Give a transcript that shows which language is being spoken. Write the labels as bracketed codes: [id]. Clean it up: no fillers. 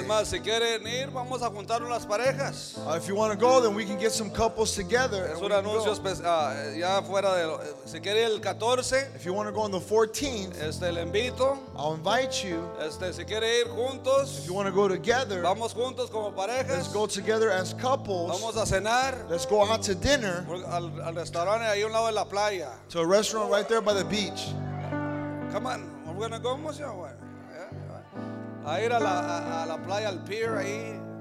[es] Es más, si quieren ir, vamos a juntar unas parejas. [en] If you want to go, then we can get some couples together. [es] Es un anuncio especial. Ya fuera de. Si quieren el 14. [en] If you want to go on the 14th. [es] Le invito. [en] I'll invite you. [es] Si quieren ir juntos. [en] If you want to go together. [es] Vamos juntos como parejas. [en] Let's go together as couples. [es] Vamos a cenar. [en] Let's go out to dinner. [es] Al restaurante ahí un lado de la playa. [en] To a restaurant right there by the beach. Come on, we're gonna go, Monsieur. [es] Yeah. A ir a la playa, al pier ahí.